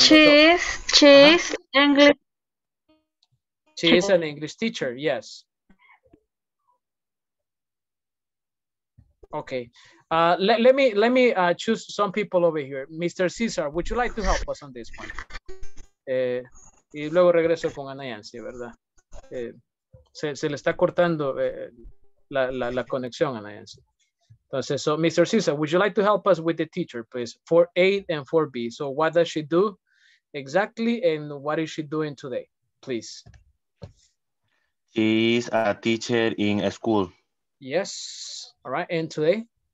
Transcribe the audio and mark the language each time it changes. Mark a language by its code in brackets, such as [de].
[en] She is an English teacher. Yes. Okay. Let me choose some people over here. Mr. Cesar, would you like to help us on this one? [es] Y luego regreso con Ana Yancy, ¿verdad? Se le está cortando la conexión a Ana Yancy. Entonces, so Mr. [en] Cesar, would you like to help us with the teacher, please? 4A and 4B. So what does she do exactly and what is she doing today, please? She is a teacher in a school. Yes. All right. And today?